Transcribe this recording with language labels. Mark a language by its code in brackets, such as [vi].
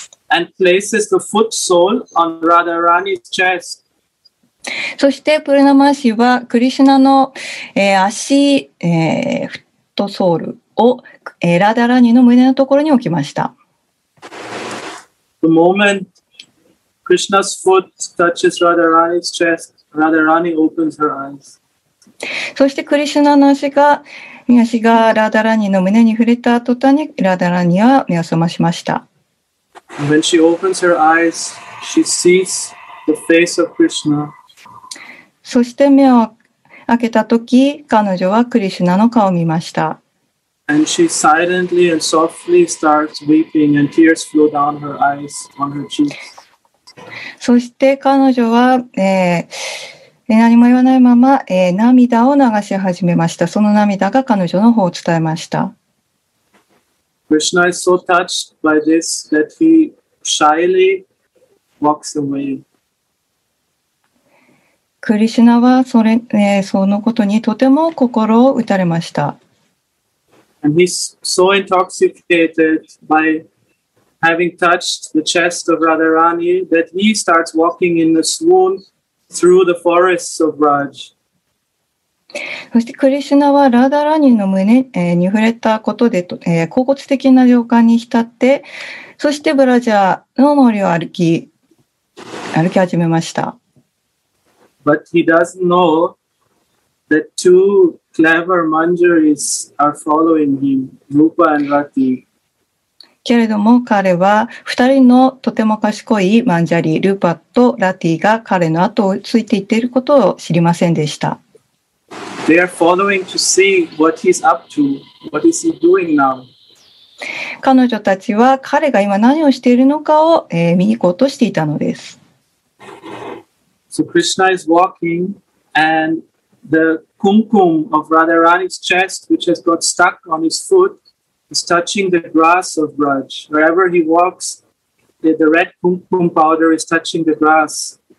[en] And places the foot sole on Radharani's chest. [ja] そしてプルナマーシーはクリシュナの、足、フットソールを、ラダラニの胸のところに置きました。 [en] The moment Krishna's foot touches Radharani's chest, Radharani opens her eyes. [ja] そしてクリシュナの足がラダラニの胸に触れた途端にラダラニは目を覚ましました。 [en] When she opens her eyes, she sees the face of Krishna. [ja] そして目を開けた時、彼女はクリシュナの顔を見ました。 [en] And she silently and softly starts weeping, and tears flow down her eyes on her cheeks. [ja] そして彼女は、何も言わないまま、涙を流し始めました。その涙が彼女の方を伝えました。 [en] Krishna is so touched by this that he shyly walks away. [ja] Krishna はそれ、そのことにとても心を打たれました。 [en] And he's so intoxicated by having touched the chest of Radharani that he starts walking in a swoon through the forests of Raj. [ja] そしてクリシュナはラダラニの胸に触れたことで恍惚的な情感に浸って、そしてブラジャーの森を歩き始めました。 [en] But he doesn't know that two clever manjaris are following him, Rupa and Rati. [ja] けれども彼は二人のとても賢いマンジャリ、ルーパとラティが彼の後をついていっていることを知りませんでした。 [en] They are following to see what he's up to. What is he doing now? [ja] 彼女たちは彼が今何をしているのかを、見に行こうとしていたのです。 [en] So Krishna is walking and the kumkum of Radharani's chest, which has got stuck on his foot, is touching the grass of Braj. Wherever he walks, the red kumkum powder is touching the grass.